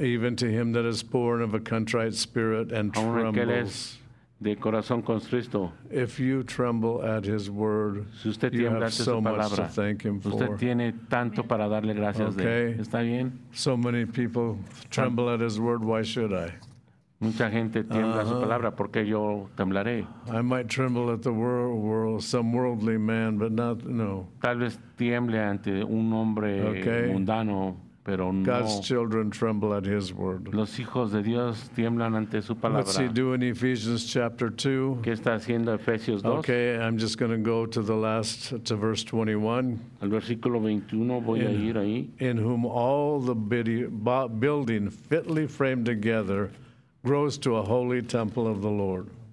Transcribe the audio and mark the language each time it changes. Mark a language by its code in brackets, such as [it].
[en] Even to him that is poor and of a contrite spirit and trembles. [es] Aunque él es De corazón contrito. [en] If you tremble at his word, [es] si usted [en] you have so [es] palabra, [en] much to thank him for. [es] Usted tiene tanto para darle gracias [en] okay. [es] de él. ¿Está bien? [en] So many people tremble at his word, why should I? [es] Mucha gente tiembla a su palabra, ¿por qué yo temblaré? [en] I might tremble at the world, some worldly man, but not, no. [es] Tal vez tiemble ante un hombre [en] okay. [es] mundano, pero no. [en] God's children tremble at his word. [es] Los hijos de Dios tiemblan ante su palabra. [en] What's he doing in Ephesians chapter 2? [es] ¿Qué está haciendo Efesios 2? [en] Okay, I'm just going to go to the last, to verse 21. [es] Al versículo 21 voy a ir ahí. [en] In whom all the building fitly framed together grows to a holy temple of the Lord.